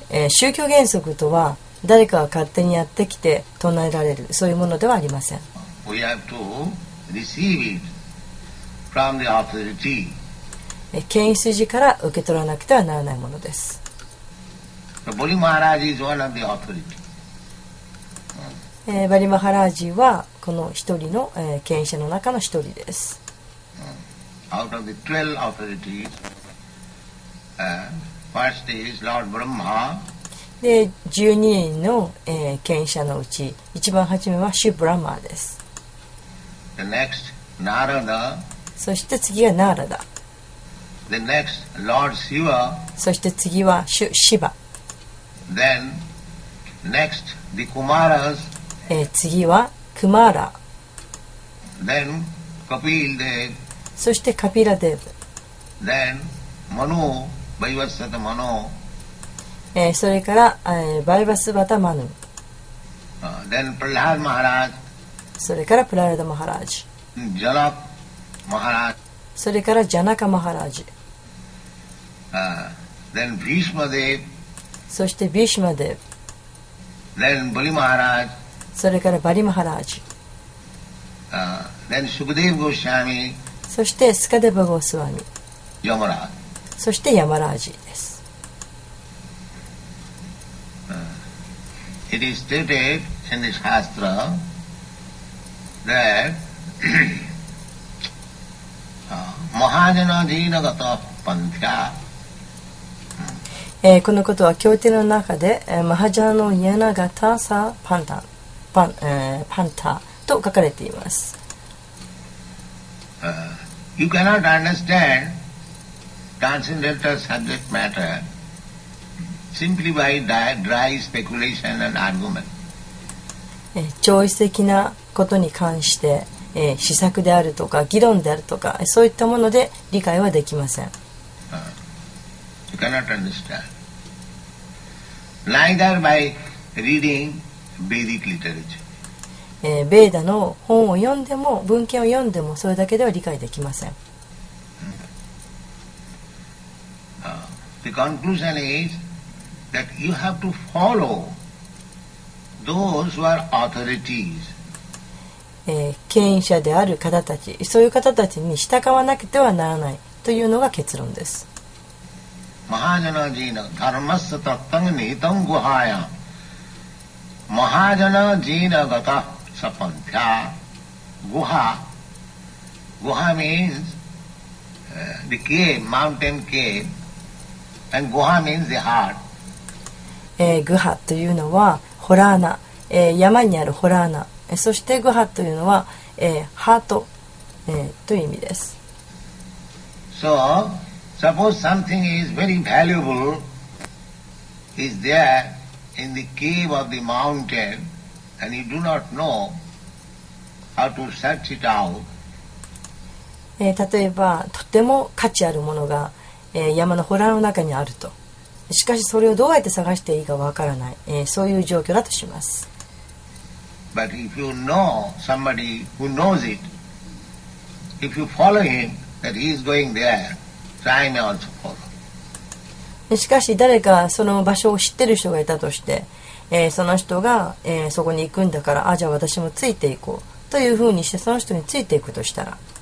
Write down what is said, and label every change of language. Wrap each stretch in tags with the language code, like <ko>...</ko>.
<ja>宗教原則とは誰かが勝手にやってきて唱えられるそういうものではありません。</ja> <en>We have to receive it from the authority.</en> <ja>権威筋から受け取らなくてはならないものです。</ja> <en>ボリマハラージ is one of the authority.</en> <ja>バリマハラージはこの一人の権威者の中の一人です。</ja> <en>Out of the 12 authorities, first is Lord Brahma.</en> <ja>で12人の権威者のうち一番初めはシュブラマーです。</ja> <en>The next, Narada.</en> <ja>そして次はナーラダ。</ja> <en>The next, Lord Shiva.</en> <ja>そして次はシュシバ。</ja> <en>Then next, the Kumaras.</en> <ja>次はクマーラ。</ja> <en>Then, Kapil Dev.</en> <ja>そしてカピラデーブ。</ja> <en>Then, Mano, Vaivasvata Mano.</en> <ja>それから、バイバスバタマヌ。</ja> <en>Then, Prahlad Maharaj.</en> <ja>それからプラルダマハラージ。</ja> <en>Janak Maharaj.</en> <ja>それからジャナカマハラージ。</ja> <en>Then, Bhishma Dev.</en> <ja>そしてビシマデーブ。</ja> <en>Then, Bali Maharaj.</en> <ja>それからバリマハラージ。</ja> <en>Then Shukadev Goswami.</en> <ja>そしてスカデバゴスワミ。</ja> <en>ヤマラージ。</en> <ja>そしてヤマラージです。</ja> <en>It is stated in the Shastra that</en> <sa>Mahajana Dinagata Pantya.</sa> <ja>このことは経典の中で、</ja> <sa>Mahajana no Yanagata sa Panta.</sa> <ja>パンタと書かれています。</ja> <en>You cannot understand transcendental subject matter simply by dry speculation and argument.</en> <ja>超越的なことに関して、試作であるとか議論であるとかそういったもので理解はできません。</ja> <en>You cannot understand neither by reading Vedic literature.</en> <ja>ベーダの本を読んでも文献を読んでもそれだけでは理解できません。</ja> <en>The conclusion is that you have to follow those who are authorities.</en> <ja>権威者である方たち、そういう方たちに従わなくてはならないというのが結論です。</ja> <sa>マハジャナジーナダルマスタタングネタングハヤマハジャナジーナガタサパンティア、</sa> <en>ゴハ、ゴハ means the cave, mountain cave, and ゴハ means the heart.</en> <ja>グハというのはホラーナ、山にあるホラーナ、そしてグハというのは、ハート、という意味です。</ja> <en>So, suppose something is very valuable is there in the cave of the mountain and you do not know. How to search it out.</en> <ja>例えばとても価値あるものが、山の洞の中にあると、しかしそれをどうやって探していいかわからない、そういう状況だとします。</ja> <en>But if you know somebody who knows it, if you follow him that he is going there, so I may also follow.</en> <ja>しかし誰かその場所を知ってる人がいたとして、その人が、そこに行くんだから、あ、じゃあ私もついていこうというふうにしてその人についていくとしたら、</ja>